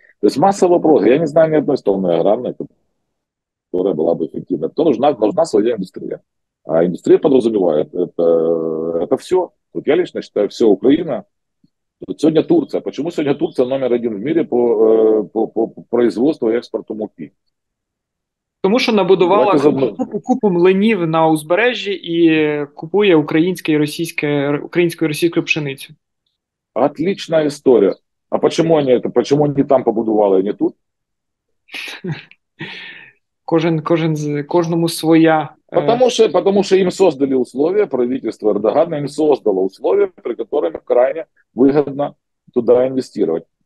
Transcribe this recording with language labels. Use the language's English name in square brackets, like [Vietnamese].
[Russian] То есть масса вопросов. Я не знаю ни одной страны аграрной, которая была бы эффективна. То нужна своя индустрия. А индустрия подразумевает, это все. Вот я лично считаю, все Украина. Вот сегодня Турция. Почему сегодня Турция номер один в мире по производству и экспорту муки? [Ukrainian] Тому що набудувала купу млинів на узбережжі і купує українською російською пшеницю. Отлична історія. [Russian] А почему они там побудували, а не тут? [Ukrainian] Кожному своя. [Russian] Потому что им создали условия, правительство Эрдогана им создало условия, при которых крайне выгодно туда инвестировать.